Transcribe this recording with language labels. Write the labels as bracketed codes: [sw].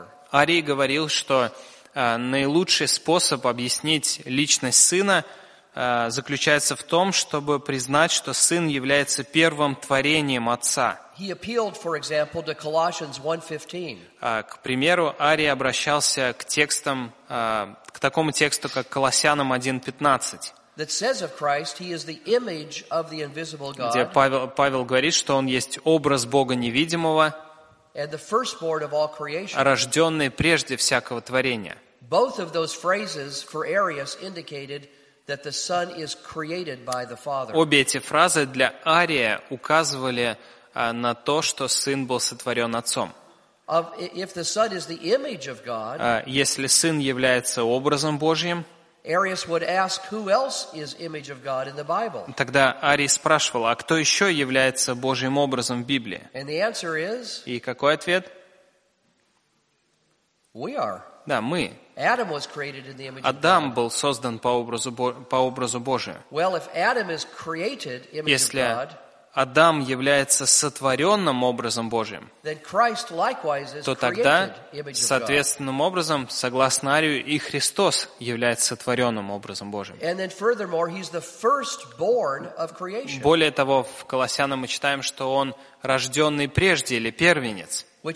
[ru] Арий говорил, что наилучший способ объяснить личность Сына заключается в том, чтобы признать, что Сын является первым творением Отца. [en] He appealed, for example, to Colossians 1:15. [ru] К примеру, Арий обращался к текстам, к такому тексту, как Колоссянам 1:15. [en] That says of Christ, he is the image of the invisible God. [ru] Где Павел говорит, что он есть образ Бога невидимого. [en] And the firstborn of all creation. [ru] Рожденный прежде всякого творения. [en] Both of those phrases for Arius indicated that the Son is created by the Father. [ru] Обе эти фразы для Ария указывали на то, что Сын был сотворен Отцом. Если Сын является образом Божьим, тогда Арий спрашивал, а кто еще является Божьим образом в Библии? И какой ответ? Да, мы. [en] Adam was created in the image of God. [ru] Адам был создан по образу Божию. [en] Well, if Adam is created in the image of God, [ru] Адам является сотворенным образом Божьим, то тогда, соответственным образом, согласно Арию, и Христос является сотворенным образом Божьим. Более того, в Колоссянам мы читаем, что Он рожденный прежде, или первенец.